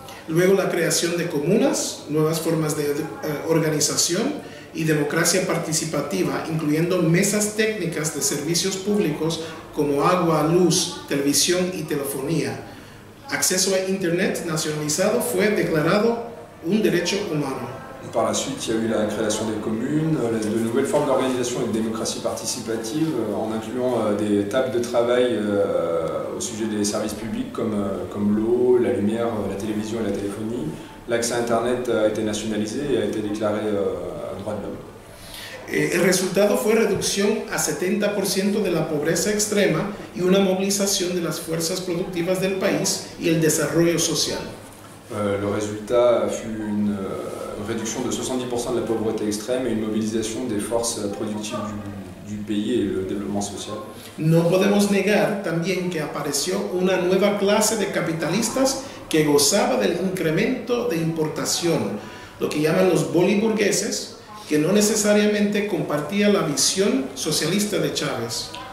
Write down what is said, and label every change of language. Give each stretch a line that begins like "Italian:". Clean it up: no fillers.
Spanish: Luego la
French: création
Spanish: de comunas, nuevas formas de organización y democracia participativa, incluyendo mesas técnicas de servicios públicos como agua, luz, televisión y telefonía. Acceso a Internet nacionalizado fue declarado un derecho humano.
French: Par la suite, il y a eu la création des communes, de nouvelles formes d'organisation et de démocratie participative, en incluant des tables de travail au sujet des services publics comme l'eau, la lumière, la télévision et la téléphonie. L'accès à Internet a été nationalisé et a été déclaré droit de l'homme.
Spanish: El resultado fue reducción a 70% de la pobreza extrema y una movilización de las fuerzas productivas del país y el desarrollo social.
French: Le résultat fut une réduction de 70% de la pauvreté extrême et une mobilisation des forces productives du pays et le développement social.
Spanish: No podemos negar también que apareció una nueva clase de capitalistas que gozaba del incremento de importación, lo que llaman los boliburgueses, que no necesariamente compartía la visión socialista de Chávez.